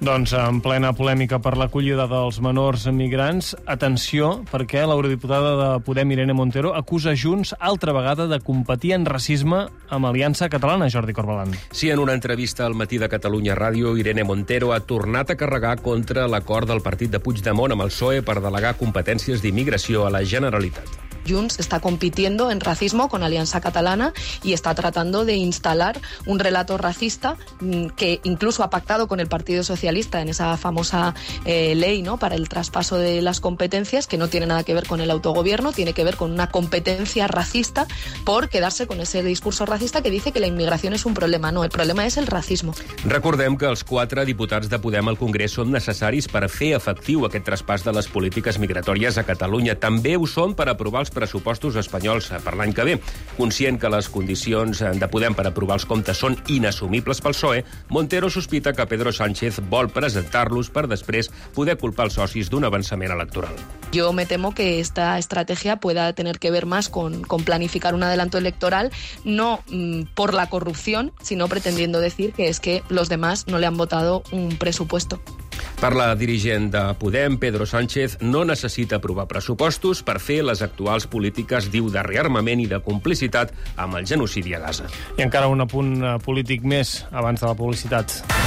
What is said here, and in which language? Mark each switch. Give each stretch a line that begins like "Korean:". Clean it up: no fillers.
Catalan: Doncs en plena polèmica per l'acollida dels menors migrants, atenció, perquè l'eurodiputada de Podem, Irene Montero, acusa Junts altra vegada de competir en racisme amb Aliança Catalana, Jordi Corbalán. Sí, en una entrevista al Matí de Catalunya Ràdio, Irene Montero ha tornat a carregar contra l'acord del partit de Puigdemont amb el PSOE per delegar competències d'immigració a la Generalitat.
Spanish: Junts está compitiendo en racismo con Alianza Catalana y está tratando de instalar un relato racista que incluso ha pactado con el Partido Socialista en esa famosa ley, ¿no?, para el traspaso de las competencias, que no tiene nada que ver con el autogobierno, tiene que ver con una competencia racista por quedarse con ese discurso racista que dice que la inmigración es un problema. No, el problema es el racismo.
Catalan: Recordem que els 4 diputats de Podem al Congrés són necessaris per fer efectiu aquest traspàs de les polítiques migratòries a Catalunya. També ho són per aprovar els pressupostos espanyols per l'any que ve. Conscient que les condicions de Podem per aprovar els comptes són inassumibles pel PSOE, Montero sospita que Pedro Sánchez vol presentar-los per després poder culpar els socis d'un avançament electoral.
Spanish: Yo me temo que esta estrategia pueda tener que ver más con planificar un adelanto electoral, no por la corrupción, sino pretendiendo decir que es que los demás no le han votado un presupuesto.
Catalan: Per la dirigent de Podem, Pedro Sánchez no necessita aprovar pressupostos per fer les actuals polítiques, diu, de rearmament i de complicitat amb el genocidi a Gaza. I encara un apunt polític més abans de la publicitat.